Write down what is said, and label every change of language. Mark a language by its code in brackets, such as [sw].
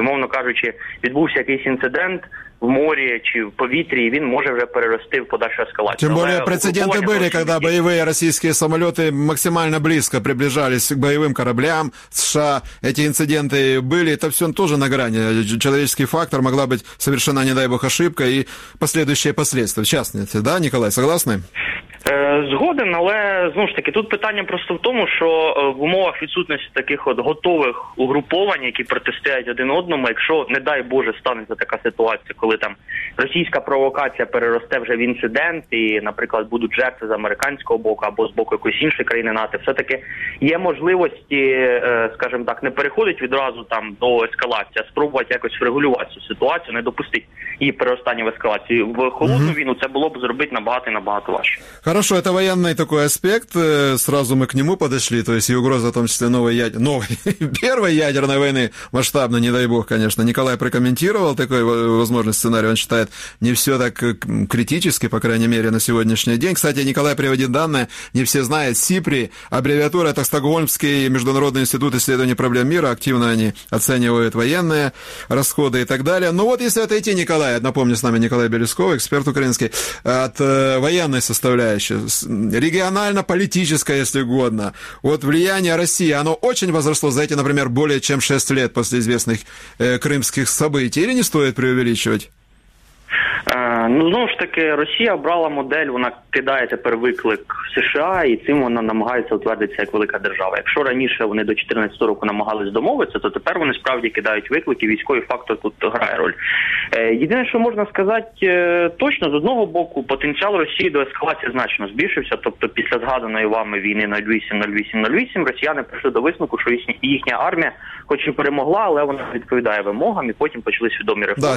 [uk] Умовно кажучи, відбувся якийсь інцидент в морі чи в повітрі, і він може вже перерости в подальшу ескалацію. Тим більше прецеденти були, коли бойові російські самоліти максимально близько [ru] приближались к [uk] бойовим кораблям США. Ці інциденти були, то все теж на грані. [ru] Человеческий фактор, могла бути совершена, не дай Бог, ошибка і последующие последствия. В частности, да, Николай, согласны? [uk] Згоден, але, знову ж таки, тут питання просто в тому, що в умовах відсутності таких от готових угруповань, які протистоять один одному, якщо, не дай Боже, станеться така ситуація, коли там російська провокація переросте вже в інцидент і, наприклад, будуть жертви з американського боку або з боку якоїсь іншої країни НАТО, все-таки є можливості, скажімо так, не переходить відразу там до ескалації, а спробувати якось врегулювати цю ситуацію, не допустити її переростання в ескалацію. В холодну війну це було б зробити набагато-набагато важче. [ru] Хорошо, это военный такой аспект, сразу мы к нему подошли, то есть и угроза, в том числе, первой ядерной войны, масштабной, не дай бог, конечно. Николай прокомментировал такой возможный сценарий, он считает, не все так критически, по крайней мере, на сегодняшний день. Кстати, Николай приводит данные, не все знают, СИПРИ, аббревиатура, это Стокгольмский международный институт исследования проблем мира, активно они оценивают военные расходы и так далее. Ну вот, если отойти, Николай, напомню, с нами Николай Бересков, эксперт украинский, от военной составляющей, регионально-политическая, если угодно. Вот влияние России, оно очень возросло за эти, например, более чем 6 лет после известных крымских событий, или не стоит преувеличивать? [uk] Ну, знову ж таки, Росія обрала модель, вона кидає тепер виклик США, і цим вона намагається утвердитися як велика держава. Якщо раніше вони до 2014 року намагались домовитися, то тепер вони справді кидають виклик, і військовий фактор тут грає роль. Єдине, що можна сказати точно, з одного боку, потенціал Росії до ескалації значно збільшився, тобто після згаданої вами війни 08-08-08, росіяни прийшли до висновку, що їхня армія хоч і перемогла, але вона відповідає вимогам, і потім почали свідомі реформи.